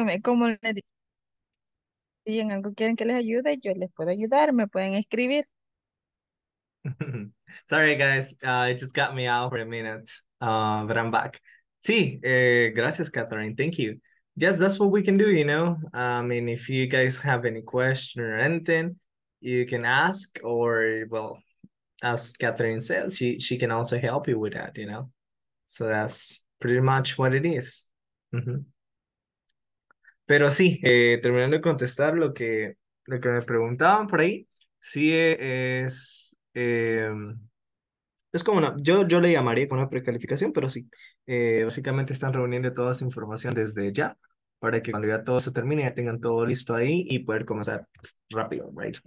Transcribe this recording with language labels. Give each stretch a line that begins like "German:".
Spanish: Como les digo, si en algo quieren que les ayude, yo les puedo ayudar, me pueden escribir.
English: Sorry guys, it just got me out for a minute, but I'm back.
Spanish: Sí, gracias,
English: Catherine. Thank you. Yes, that's what we can do, you know. I mean, if you guys have any question or anything, you can ask, or well, as Catherine says, she can also help you with that, you know. So that's pretty much what it is.
Spanish: Pero sí, terminando de contestar lo que me preguntaban por ahí, sí es como una, yo le llamaría con una precalificación, pero sí, básicamente están reuniendo toda esa información desde ya para que cuando ya todo se termine ya tengan todo listo ahí y poder comenzar rápido, right?